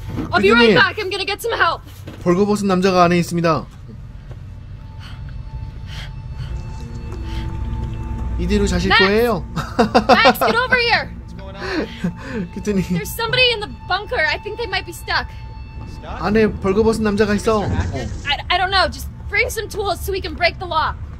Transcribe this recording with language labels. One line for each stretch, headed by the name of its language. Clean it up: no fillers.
English: I'll be right back. I'm gonna get some help.
Korean: 벌거벗은 남자가 안에 있습니다. 이대로 자실
English: Max!
Korean: 거예요.
English: Max, get over here. What's going on? There's somebody in the bunker. I think they might be stuck. Stuck?
Korean: 안에 벌거벗은 남자가 있어.
English: I don't know. Just bring some tools so we can break the lock.